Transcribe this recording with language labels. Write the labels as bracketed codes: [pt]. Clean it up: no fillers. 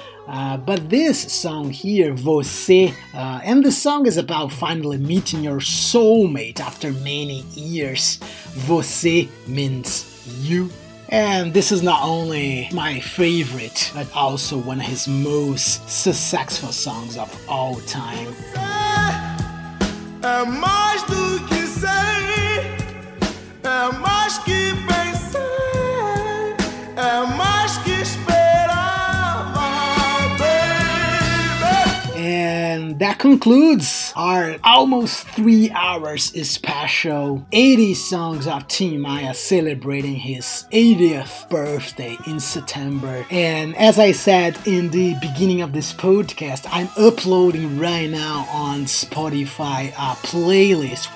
[en] But this song here, Você, and the song is about finally meeting your soulmate after many years. Você means you. And this is not only my favorite, but also one of his most successful songs of all time. [pt] É mais do que sei, é mais que pensei, é mais que esperava, baby. [en] And that concludes our almost 3 hours special 80 songs of Tim Maia celebrating his 80th birthday in September. And as I said in the beginning of this podcast, I'm uploading right now on Spotify a playlist.